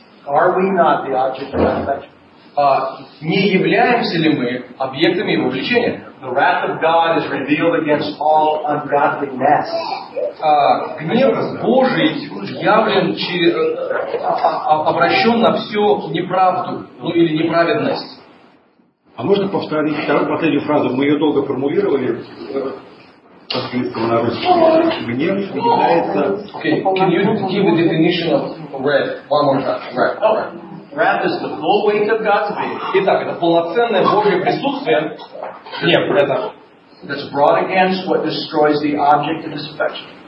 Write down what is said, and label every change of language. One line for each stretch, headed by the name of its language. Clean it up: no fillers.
English: Are we not the object of his affection?
Russian: Не являемся ли мы объектами его влечения?
English: The wrath of God is revealed against all ungodliness.
Russian: Гнев Божий явлен через обращен на всю неправду, ну или неправедность. А можно повторить последнюю фразу? Мы ее долго формулировали по-английски, на русском. Гнев является.
English: Okay, can you give a definition of wrath one more time? Wrath. Wrath is the full weight of God's being.
Russian: Итак, это полноценное Божье присутствие. Гнев это.
English: That's brought against what destroys the object of his affection.